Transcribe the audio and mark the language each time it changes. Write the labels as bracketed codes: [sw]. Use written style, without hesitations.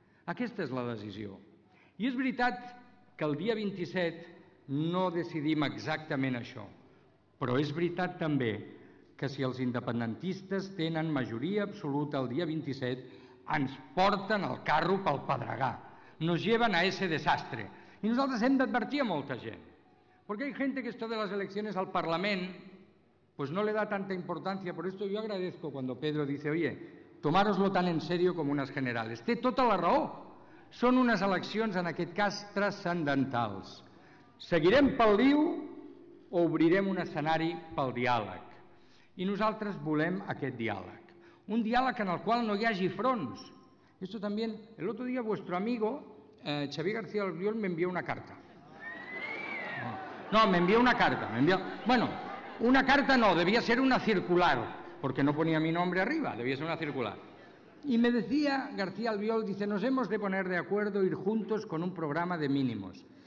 [ca] Aquesta és la decisió. I és veritat que el dia 27 no decidim exactament això, però és veritat també que si els independentistes tenen majoria absoluta el dia 27, ens porten el carro pel pedregar, [es] nos lleven a ese desastre. [ca] I nosaltres hem d'advertir a molta gent, perquè hi ha gent que esto de les eleccions al Parlament... [es] Pues no le da tanta importancia, por esto yo agradezco cuando Pedro dice, oye, tomároslo tan en serio como unas generales. [ca] Té tota la raó. Són unes eleccions, en aquest cas, transcendentals. Seguirem pel diu o obrirem un escenari pel diàleg. I nosaltres volem aquest diàleg. Un diàleg en el qual no hi hagi fronts. [es] Esto también, el otro día vuestro amigo, Xavier García Albiol, me envió una carta. No, me envió una carta. Bueno... Una carta no, debía ser una circular, porque no ponía mi nombre arriba, debía ser una circular. Y me decía García Albiol, dice, nos hemos de poner de acuerdo, ir juntos con un programa de mínimos.